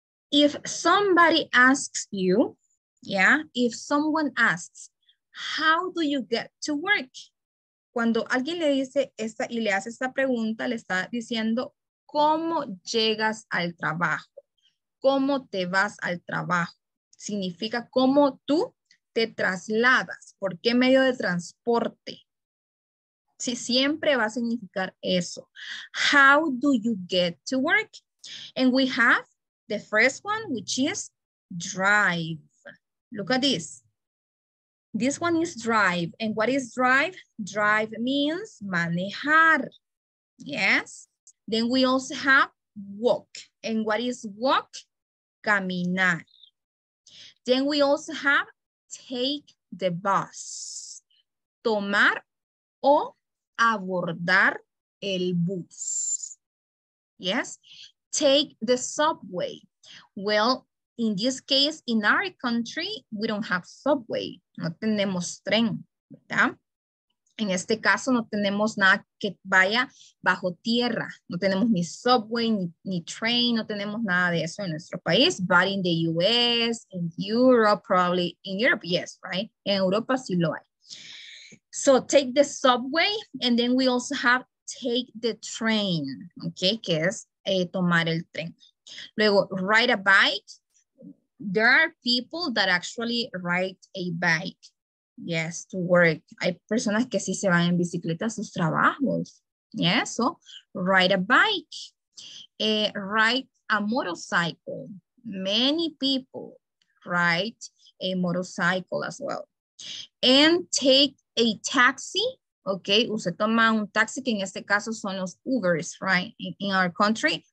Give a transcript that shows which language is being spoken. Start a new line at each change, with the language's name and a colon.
English: If somebody asks you, yeah, if someone asks, how do you get to work?
Spanish: Cuando alguien le dice esta y le hace esta pregunta, le está diciendo, ¿cómo llegas al trabajo? ¿Cómo te vas al trabajo? Significa, ¿cómo tú te trasladas? ¿Por qué medio de transporte? Sí, siempre va a significar eso.
English: How do you get to work? And we have the first one, which is drive. Look at this. This one is drive. And what is drive? Drive means manejar. Yes. Then we also have walk. And what is walk? Caminar. Then we also have take the bus.
Spanish: Tomar o abordar el bus. Yes.
English: Take the subway. Well, in this case, in our country, we don't have subway.
Spanish: No tenemos tren, ¿verdad? En este caso, no tenemos nada que vaya bajo tierra. No tenemos ni subway, ni train. No tenemos nada de eso en nuestro país.
English: But in the US, in Europe, probably in Europe, yes, right?
Spanish: En Europa sí lo hay.
English: So take the subway. And then we also have take the train, okay?
Spanish: Que es tomar el tren. Luego,
English: ride a bike. There are people that actually ride a bike, yes, to work.
Spanish: Hay personas que sí se van en bicicleta a sus trabajos, yes,
English: so ride a bike, ride a motorcycle. Many people ride a motorcycle as well. And take a taxi,
Spanish: okay, usted toma un taxi, que en este caso son los Ubers,
English: right, in our country.